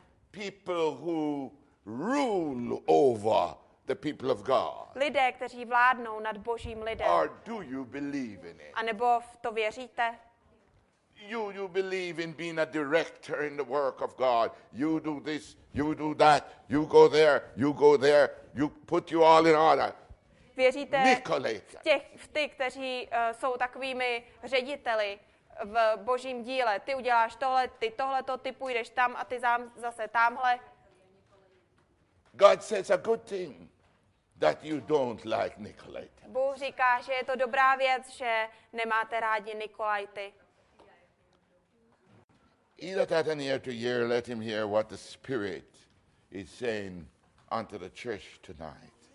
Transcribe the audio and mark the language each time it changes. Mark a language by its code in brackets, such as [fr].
[en] People who rule over the people of God. [cs] Lidé, kteří vládnou nad Božím lidem. [en] Or do you believe in it? [cs] A nebo v to věříte? [en] You believe in being a director in the work of God. You do this, you do that, you go there, you go there, you put you all in order. [cs] Věříte v ty, kteří jsou takovými řediteli v Božím díle. Ty uděláš tohle, ty tohleto, ty půjdeš tam a ty zase tamhle. [en] God says a good thing that you don't like Nicolaita. [cs] Bůh říká, že je to dobrá věc, že nemáte rádi Nicolaity. [en] He that hath an ear to hear, let him hear what the Spirit is saying unto the church tonight.